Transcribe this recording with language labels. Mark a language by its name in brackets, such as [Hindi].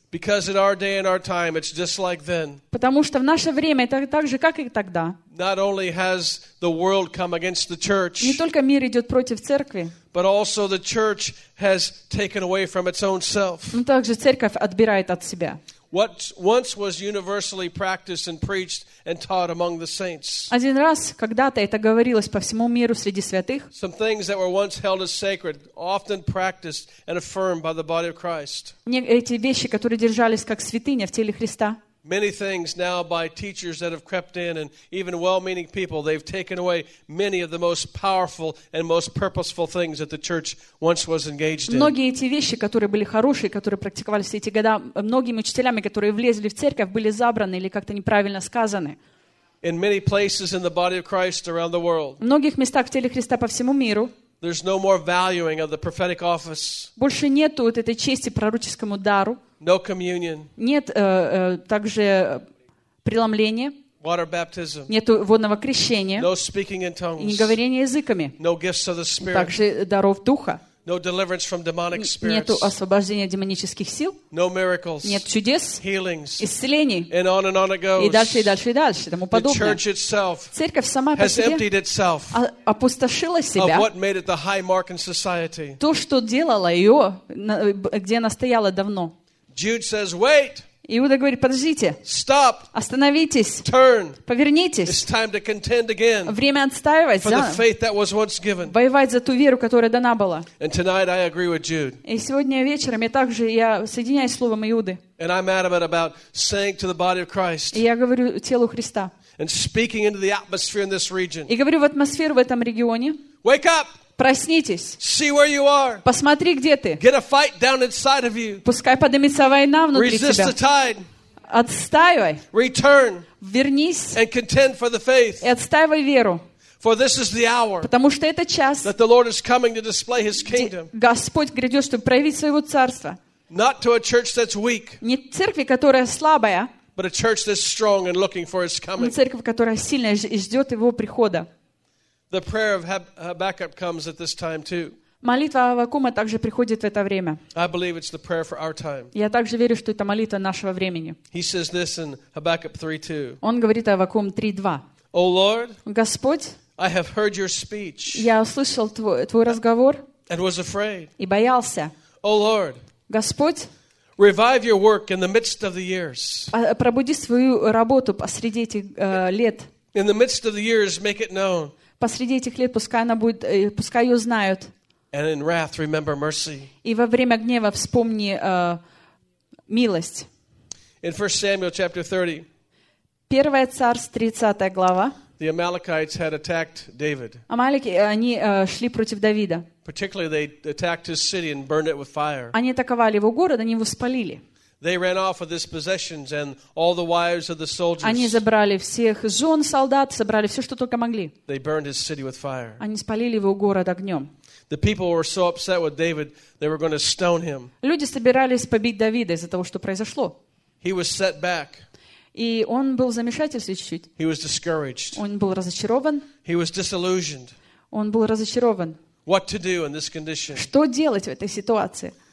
[English] Because in our day and our time, it's just like then. [Russian] Потому что в наше время это так же, как и тогда. [English] Not only has the world come against the church. [Russian] Не только мир идет против церкви. [English] But also the church has taken away from its own self. [Russian] Но также церковь отбирает от себя. [English] What once was universally practiced and preached and taught among the saints. [Russian] Один раз когда-то это говорилось по всему миру среди святых. [English] Some things that were once held as sacred, often practiced and affirmed by the body of Christ. [Russian] Эти вещи, которые держались как святыня в теле Христа. [English] Many things now by teachers that have crept in and even well-meaning people, they've taken away many of the most powerful and most purposeful things that the church once was engaged in. [Russian] Многие эти вещи, которые были хорошие, которые практиковались эти года, многими учителями, которые влезли в церковь, были забраны или как-то неправильно сказаны. [English] In many places in the body of Christ around the world, [Russian] в многих местах в теле Христа по всему миру, [English] there's no more valuing of the prophetic office. [Russian] Больше нету вот этой чести пророческому дару. [English] No communion. [Russian] Нет также преломление. [English] Water baptism. [Russian] Нету водного крещения. [English] No speaking in tongues. [Russian] Не говорение языками. [English] No gifts of the Spirit. [Russian] Также даров духа. [English] No deliverance from demonic spirits. [Russian] Нету освобождения демонических сил. [English] No miracles. [Russian] Нет чудес. [English] Healings. [Russian] Исцелений. [English] And on and on it goes. [Russian] И дальше, и дальше, и дальше, тому подобное. [English] The church itself. [Russian] Церковь сама [English] has emptied itself. [Russian] Опустошила себя. [English] Of what made it the high mark in society. [Russian] То, что делало ее, где она стояла давно. [English] Jude says, wait. [Russian] Иуда говорит, подождите. [English] Stop. [Russian] Остановитесь. [English] Turn. [Russian] Повернитесь. [English] It's time to contend again. [Russian] Время отстаивать. [English] For the faith that was once given. [Russian] Воевать за ту веру, которая дана была. [English] And tonight I agree with Jude. [Russian] И сегодня вечером я также я соединяюсь с словом Иуды. [English] And I'm adamant about saying to the body of Christ. [Russian] И я говорю телу Христа. [English] And speaking into the atmosphere in this region. [Russian] И говорю в атмосферу в этом регионе. [English] Wake up. [Russian] Проснитесь. [English] See where you are. [Russian] Посмотри, где ты. [English] Get a fight down inside of you. [Russian] Пускай поднимется война внутри [English] Resist [Russian] тебя. [English] The tide. [Russian] Отстаивай. [English] Return. [Russian] Вернись. [English] And contend for the faith. [Russian] И отстаивай веру. [English] For this is the hour. [Russian] Потому что это час. [English] That the Lord is coming to display His kingdom. [Russian] Господь грядет, чтобы проявить своего царства. [English] Not to a church that's weak. [Russian] Не церкви, которая слабая. [English] But a church that's strong and looking for His coming. [Russian] Но церковь, которая сильная и ждет Его прихода. [English] The prayer of Habakkuk comes at this time too. [Russian] Молитва Аввакума также приходит в это время. [English] I believe it's the prayer for our time. [Russian] Я также верю, что это молитва нашего времени. [English] He says this in Habakkuk 3:2. [Russian] Он говорит о Аввакум 3:2. [English] O Lord, [Russian] Господь, [English] I have heard your speech. [Russian] Я услышал твой разговор. [English] And was afraid. [Russian] И боялся. [English] O Lord, [Russian] Господь, [English] revive your work in the midst of the years. [Russian] Пробуди свою работу посреди этих лет. [English] In the midst of the years, make it known. [Russian] Посреди этих лет пускай ее знают. [English] And in wrath, remember mercy. [Russian] И во время гнева вспомни милость. [English] In 1 Samuel chapter 30, [Russian] 1 Царств, 30 глава. [English] The Amalekites had attacked David. [Russian] Амалеки, они шли против Давида. [English] Particularly they attacked his city and burned it with fire. [Russian] Они атаковали его город, они его спалили. [English] They ran off with his possessions and all the wives of the soldiers. [Russian] Они забрали всех жен солдат, забрали все, что только могли. [English] They burned his city with fire. [Russian] Они спалили его город огнем. [English] The people were so upset with David, they were going to stone him. [Russian] Люди собирались побить Давида из-за того, что произошло. [English] He was set back. [Russian] И он был в замешательстве чуть-чуть. [English] He was discouraged. [Russian] Он был разочарован. [English] He was disillusioned. [Russian] Он был разочарован. [English] What to do in this condition? [Russian] Что делать в этой ситуации?